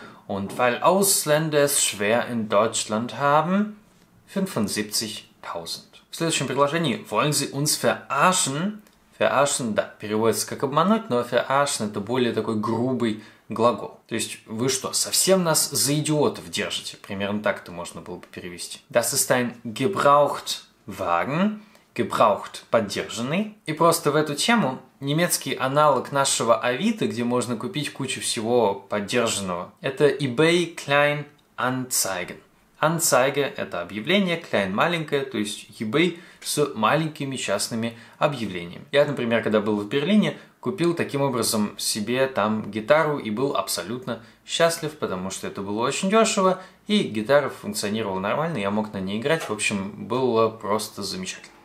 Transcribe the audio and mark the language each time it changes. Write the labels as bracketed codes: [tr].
[de] Und weil Ausländer es schwer in Deutschland haben, 75.000. [ru] В следующем предложении [de] wollen Sie uns verarschen? [ru] Verarschen, да, переводится как обмануть, но verarschen это более такой грубый глагол. То есть, вы что, совсем нас за идиотов держите? Примерно так это можно было бы перевести. [de] Das ist ein Gebrauchtwagen. [ru] Gebraucht – поддержанный. И просто в эту тему немецкий аналог нашего Авито, где можно купить кучу всего поддержанного. Это eBay Kleinanzeigen. Anzeige – это объявление, Klein – маленькое, то есть eBay с маленькими частными объявлениями. Я, например, когда был в Берлине, купил таким образом себе там гитару и был абсолютно счастлив, потому что это было очень дешево, и гитара функционировала нормально, я мог на ней играть, в общем, было просто замечательно.